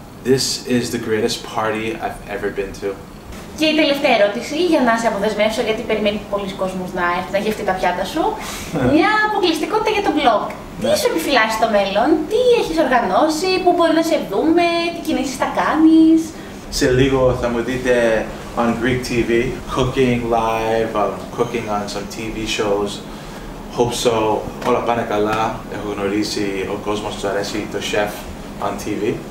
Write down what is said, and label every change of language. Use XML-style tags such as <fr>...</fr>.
<en>This is the greatest party I've ever been to.</en> <el>Και η τελευταία ερώτηση για να σε αποδεσμεύσω, γιατί περιμένει πολλοί κόσμος να έρθει να γεύτε τα πιάτα σου, μια αποκλειστικότητα για το blog. Τι σου επιφυλάσσει στο μέλλον, τι έχεις οργανώσει, πού μπορεί να σε δούμε, τι κινήσεις θα κάνεις? Σε λίγο θα μου δείτε</el> <en>on Greek TV, cooking live, cooking on some TV shows. Hope so,</en> <el>όλα πάνε καλά, έχω γνωρίσει ο κόσμος του αρέσει το chef on TV.</el>